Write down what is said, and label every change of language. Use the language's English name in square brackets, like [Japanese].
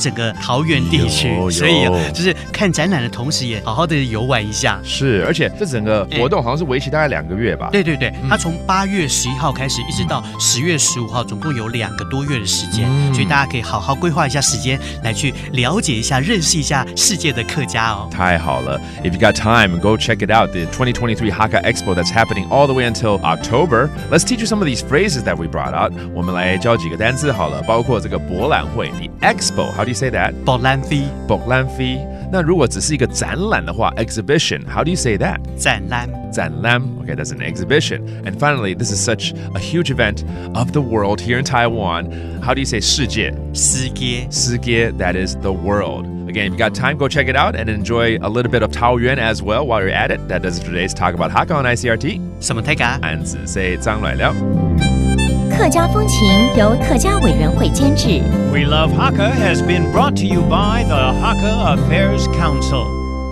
[Chinese] 整个桃园地区，所以就是看展览的同时也好好的游玩一下。是，而且这整个活动好像是为期大概2个月吧。对，它从8月11号开始一直到10月15号，总共有2个多月的时间，所以大家可以好好规划一下时间来去了解一下，认识一下世界的客家哦。太好了。 [English] If you got time, go check it out, the 2023 Hakka Expo that's happening all the way until October. Let's teach you some of these phrases that we brought out. [Chinese] 我们来教几个单字好了，包括这个博览会 the Expo。 [English] How do you say that? [Chinese] 博览会。博览会。那如果只是一个展览的话 ，exhibition. [English] How do you say that? [Chinese] 展览。 [English] 展览。Okay, that's an exhibition. And finally, this is such a huge event of the world here in Taiwan. How do you say 世界？ [Chinese] 世界。 [English] 世界。That is the world. Again, if you got time, go check it out and enjoy a little bit of Taoyuan as well while you're at it. That does it for today's talk about Hakka on ICRT. 什么台噶？俺只说张来了。 [Chinese] 客家风情由客家委员会监制。 [English] We Love Hakka has been brought to you by the Hakka Affairs Council.